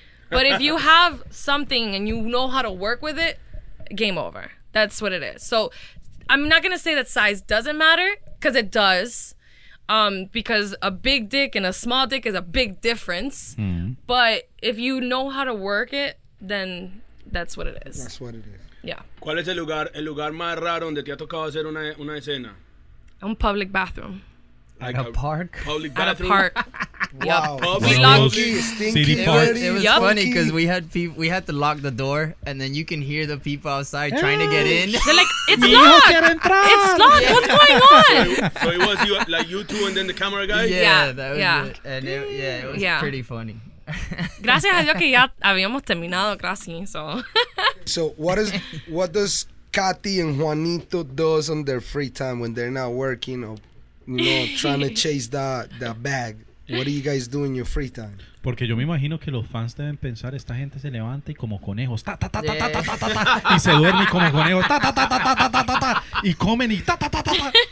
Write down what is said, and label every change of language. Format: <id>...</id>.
<en>But if you have something and you know how to work with it, game over. That's what it is. So I'm not going to say that size doesn't matter, because it does, because a big dick and a small dick is a big difference. Mm-hmm. But if you know how to work it, then that's what it is. That's what it is. Yeah.</en> <es>¿Cuál es el lugar más raro donde te ha tocado hacer una escena? Un</es> <en>public bathroom. Like a park? Public bathroom. At a park. Wow. Yep. Stinky, it was funny because we had to lock the door, and then you can hear the people outside trying to get in. They're like, it's locked. It's locked. Yeah. What's going on? So it was you, like you two and then the camera guy? Yeah, that was it. And it was pretty funny.</en> <es>Gracias a Dios que ya habíamos terminado, gracias.</es> <en>So. So what does Katy and Juanito does on their free time when they're not working or, you know, trying to chase that bag? What do you guys do in your free time?</en> <es>Porque yo me imagino que los fans deben pensar, esta gente se levanta y como conejos, ta ta ta ta ta ta ta ta, y se duerme como conejos, ta ta ta ta ta ta ta ta, y comen y ta ta ta ta ta.</es>